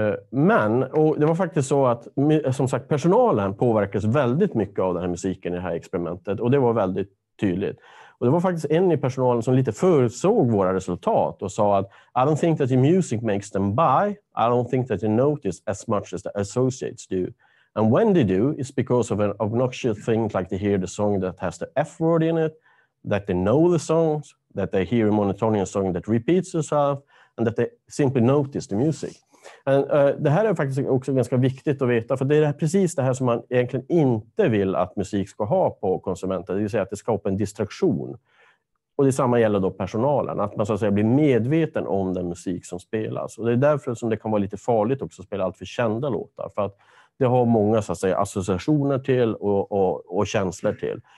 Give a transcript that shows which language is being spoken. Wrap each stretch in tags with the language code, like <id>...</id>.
<sv>Men, och det var faktiskt så att som sagt, personalen påverkas väldigt mycket av den här musiken i det här experimentet, och det var väldigt tydligt. Och det var faktiskt en i personalen som lite förutsåg våra resultat och sa att</sv> <en>I don't think that your music makes them buy. I don't think that you notice as much as the associates do. And when they do, it's because of an obnoxious thing like they hear the song that has the F word in it, that they know the songs, that they hear a monotonous song that repeats itself, and that they simply notice the music. And,</en> <sv>det här är faktiskt också ganska viktigt att veta, för det är precis det här som man egentligen inte vill att musik ska ha på konsumenten, det vill säga att det skapar en distraktion. Och detsamma gäller då personalen, att man så att säga blir medveten om den musik som spelas. Och det är därför som det kan vara lite farligt också att spela allt för kända låtar, för att det har många så att säga associationer till och känslor till.</sv>